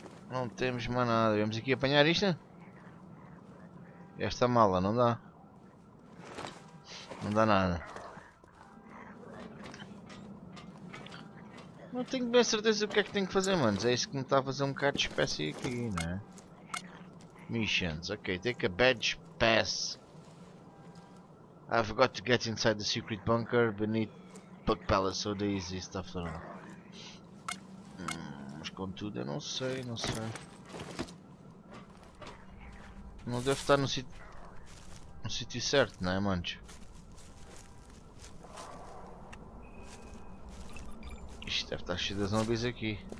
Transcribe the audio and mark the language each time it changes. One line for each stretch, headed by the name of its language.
Portuguese: Não temos mais nada. Vamos aqui apanhar isto? Esta mala não dá. Não dá nada. Não tenho bem certeza do que é que tenho que fazer, manos. É isso que me está a fazer um bocado de espécie aqui, né?
English: Missions. Ok, take a badge pass. I've got to get inside the secret bunker beneath Buck Palace. So they easy stuff to know.
Portuguese: Mas contudo, eu não sei, não sei. Não deve estar no sítio certo, né, manos? Isto deve estar cheio de zombies aqui.